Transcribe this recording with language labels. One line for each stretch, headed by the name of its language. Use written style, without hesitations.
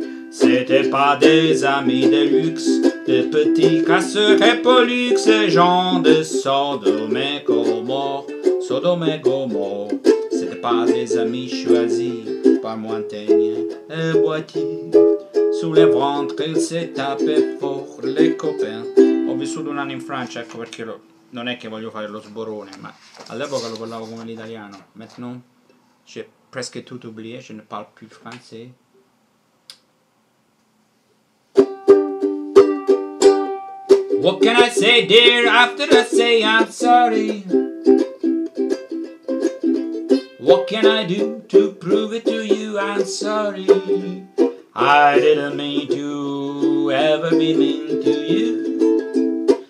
French: C'était pas des amis de luxe, des petits casseurs et pollux, des gens de Sodome et Gomorre, Sodome et Gomorre. C'était pas des amis choisis par Montaigne et Boitier. Sous le ventre il s'est tapé pour les copains.
Italian: Ho vissuto un anno in Francia, ecco perché non è che voglio fare lo sborone, ma all'epoca lo parlavo come l'italiano.
French: Maintenant, j'ai presque tout oublié, je ne parle plus français.
English: What can I say, dear, after I say I'm sorry? What can I do to prove it to you I'm sorry? I didn't mean to ever be mean to you.